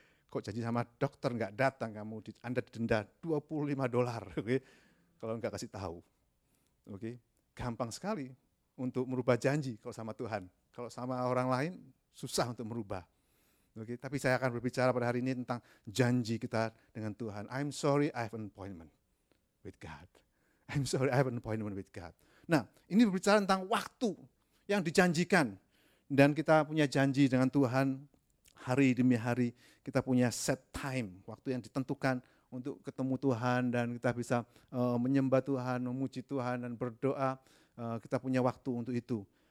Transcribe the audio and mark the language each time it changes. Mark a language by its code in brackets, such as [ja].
[id] Kok janji sama dokter enggak datang kamu, Anda didenda $25, okay? Kalau enggak kasih tahu. Okay? Gampang sekali untuk merubah janji kalau sama Tuhan. Kalau sama orang lain, susah untuk merubah. Okay? Tapi saya akan berbicara pada hari ini tentang janji kita dengan Tuhan. [en] I'm sorry, I have an appointment with God. I'm sorry, I have an appointment with God. [id] Nah, ini berbicara tentang waktu yang dijanjikan. Dan kita punya janji dengan Tuhan. Hari demi hari kita punya [en] set time, [id] waktu yang ditentukan untuk ketemu Tuhan dan kita bisa menyembah Tuhan, memuji Tuhan dan berdoa, kita punya waktu untuk itu.